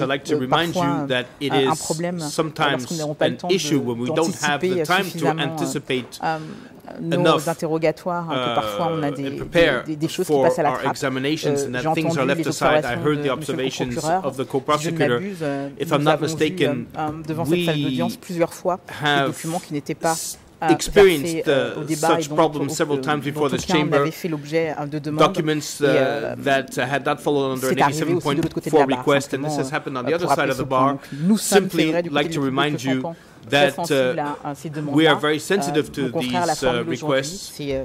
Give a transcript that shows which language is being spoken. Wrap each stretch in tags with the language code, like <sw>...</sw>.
<en>I'd like to remind you that it is sometimes an issue when we don't have the time to anticipate</en> <fr>nos interrogatoires, que parfois on a des choses qui passent à la trappe. J'ai entendu les observations de Monsieur le procureur. Je ne m'abuse, nous avons</fr> <en>mistaken,</en> <fr>vu devant cette salle d'audience plusieurs fois des documents qui n'étaient pas</fr> <en>experienced such problems several times before this chamber, documents that had not fallen under an 87.4 request, and this has happened on the other side of the bar. Simply like to remind you that we are very sensitive to these requests,</en>